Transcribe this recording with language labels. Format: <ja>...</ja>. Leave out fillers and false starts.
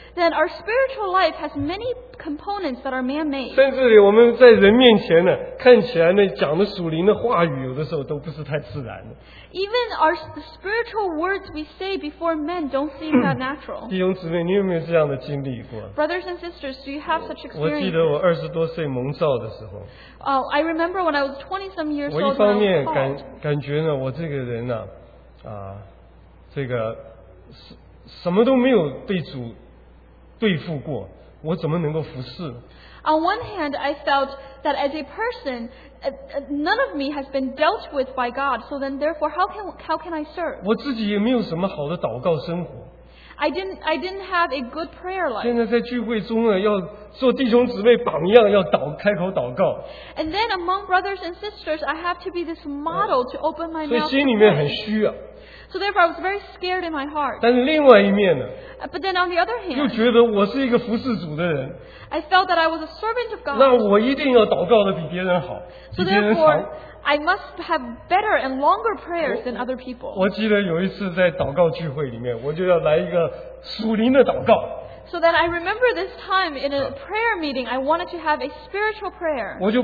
<en>then our spiritual life has many components that are man-made.</en> <zh>甚至我们在人面前呢,看起来呢,讲的属灵的话语有的时候都不是太自然的。</zh> <en>Even our spiritual words we say before men don't seem that natural.</en> <zh>弟兄姊妹,你有没有这样的经历过?</zh> <en>Brothers and sisters, do you have such experience?</en> <zh>我记得我20多岁蒙召的时候,</zh> <en>I remember when I was 20-some years old,</en> <zh>我一方面感觉呢,我这个人啊,这个什么都没有被主对付过, 我怎么能够服侍?</zh> <en>On one hand, I felt that as a person, none of me has been dealt with by God, so then therefore, how can I serve?</en> <zh>我自己也没有什么好的祷告生活。</zh> <en>I didn't have a good prayer life.</en> <zh>现在在聚会中呢, 要做弟兄姊妹榜样, 要祷, 开口祷告。</zh> <en>And then among brothers and sisters, I have to be this model to open my mouth.</en> <zh>所以心里面很虚啊。</zh> <en>So therefore, I was very scared in my heart.</en> <zh>但是另外一面呢,</zh> <en>but then on the other hand,</en> <zh>又觉得我是一个服侍主的人,</zh> <en>I felt that I was a servant of God.</en> <zh>那我一定要祷告得比别人好,</zh> <en>so therefore, I must have better and longer prayers than other people.</en> <zh>我记得有一次在祷告聚会里面, 我就要来一个属灵的祷告。</zh> <en>So that I remember this time in a prayer meeting, I wanted to have a spiritual prayer.</en>